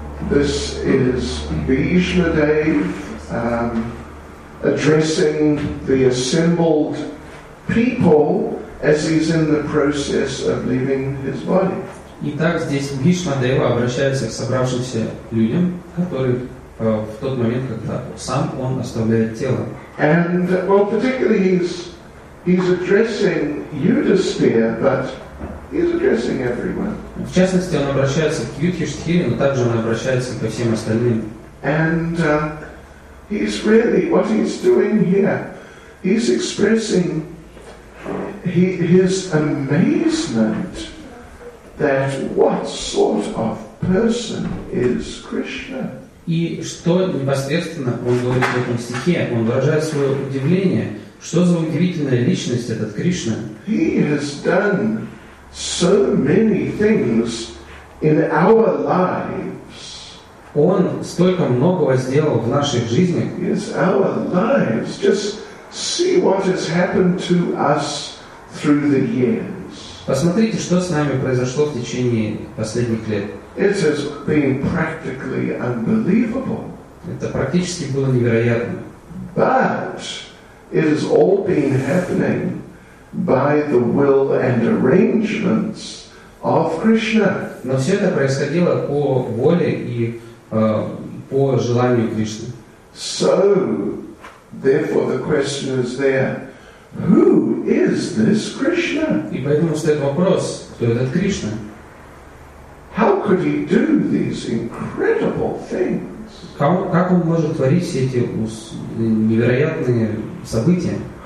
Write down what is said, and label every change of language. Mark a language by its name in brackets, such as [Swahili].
[English] This is Bhishma Dev addressing the assembled people as he's in the process of leaving his body. [Russian] Итак, здесь Бхишма Дева обращается к собравшимся людям, которые в тот момент, когда сам он оставляет тело. [English] And well, particularly he's addressing Yudhisthira, but he's addressing everyone. [Russian] В частности, он обращается к Юдхиштхире, но также он обращается ко всем остальным. [English] And he's really what he's doing here. He's expressing his amazement that what sort of person is Krishna. [Russian] И что непосредственно он говорит в этом стихе? Он выражает свое удивление. Что за удивительная личность этот Кришна? [English] He has done so many things in our lives. [Russian] Он столько многого сделал в наших жизнях. [English] Yes, our lives. Just see what has happened to us through the years. [Russian] Посмотрите, что с нами произошло в течение последних лет. [English] It has been practically unbelievable. [Russian] Это практически было невероятно. [English] But it has all been happening by the will and arrangements of Krishna. [Russian] Но все это происходило по воле и по желанию Кришны. [English] So, therefore, the question is there: who is this Krishna? [Russian] И поэтому стоит вопрос: кто этот Кришна? [English] How could he do these incredible things? [Russian] Как он может творить все эти невероятные события?